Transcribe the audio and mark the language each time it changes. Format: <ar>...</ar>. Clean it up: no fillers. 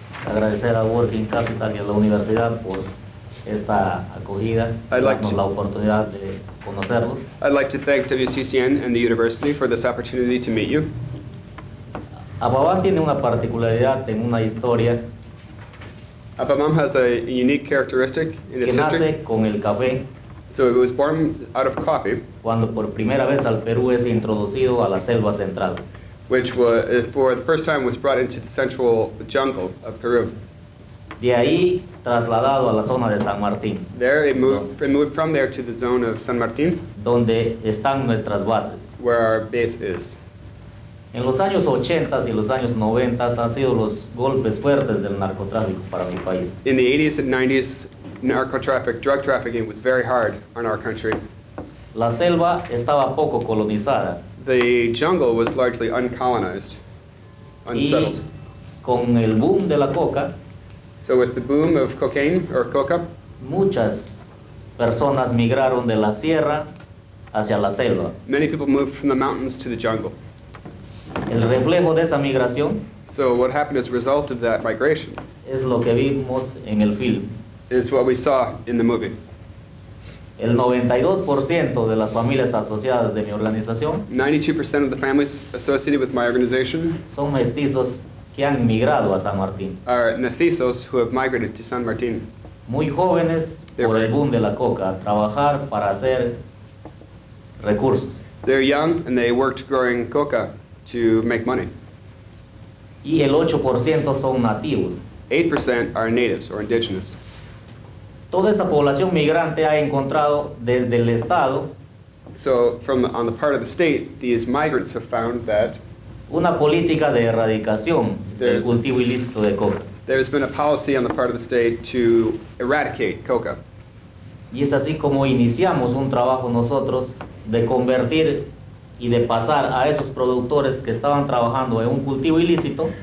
<es>Agradecer a Working Capital y a la universidad por esta acogida, darnos la oportunidad de conocerlos.</es> <en>I'd like to thank WCCN and the university for this opportunity to meet you.</en> <es>Abamam tiene una particularidad en una historia.</es> <en>Abamam has a unique characteristic in its history.</en> <es>Que nace con el café.</es> <en>So it was born out of coffee.</en> <es>Cuando por primera vez al Perú es introducido a la selva central.</es> <en>Which was, for the first time was brought into the central jungle of Peru.</en> <es>De ahí trasladado a la zona de San Martín.</es> <en>There it moved from there to the zone of San Martín.</en> <es>Donde están nuestras bases.</es> <en>Where our base is.</en> <es>En los años 80 y los años 90 han sido los golpes fuertes del narcotráfico para mi país.</es> <en>In the 80s and 90s, narcotraffic, drug trafficking was very hard on our country.</en> <es>La selva estaba poco colonizada.</es> <en>The jungle was largely uncolonized, unsettled.</en> <es>Y con el boom de la coca,</es> <en>so with the boom of cocaine or coca,</en> <es>muchas personas migraron de la sierra hacia la selva.</es> <en>Many people moved from the mountains to the jungle.</en> <es>El reflejo de esa migración,</es> <en>so what happened as a result of that migration,</en> <es>es lo que vimos en el film.</es> <en>Is what we saw in the movie.</en> <es>El 92% de las familias asociadas de mi organización,</es> <en>92% of the families associated with my organization,</en> <es>son mestizos que han migrado a San Martín.</es> <en>Are mestizos who have migrated to San Martín.</en> <es>Muy jóvenes, por el boom de la coca, a trabajar para hacer recursos.</es> <en>They're young and they worked growing coca to make money.</en> <es>Y el 8% son nativos.</es> <en>8% are natives or indigenous.</en> <es>Toda esa población migrante ha encontrado desde el estado.</es> <en>So, from on the part of the state, these migrants have found that</en> <es>una política de erradicación del cultivo ilícito de coca.</es> <en>There has been a policy on the part of the state to eradicate coca.</en> <es>Y es así como iniciamos un trabajo nosotros de convertir y de pasar a esos productores que estaban trabajando en un cultivo ilícito.</es>